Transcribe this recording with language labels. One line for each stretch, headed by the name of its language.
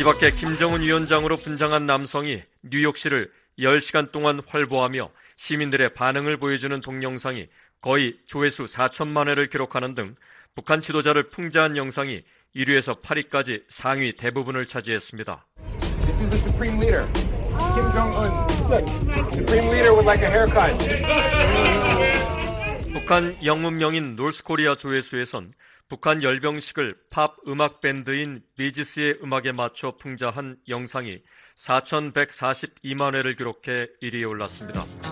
Korean: 이 밖에 김정은 위원장으로 분장한 남성이 뉴욕시를 10시간 동안 활보하며 시민들의 반응을 보여주는 동영상이 거의 조회수 4천만 회를 기록하는 등 북한 지도자를 풍자한 영상이 1위에서 8위까지 상위 대부분을 차지했습니다.
English: This is the Supreme Leader, Kim Jong-un. Supreme Leader would like a haircut.
Korean: 북한 영웅령인 노스코리아 조회수에선 북한 열병식을 팝 음악 밴드인 비지스의 음악에 맞춰 풍자한 영상이 4,142만 회를 기록해 1위에 올랐습니다.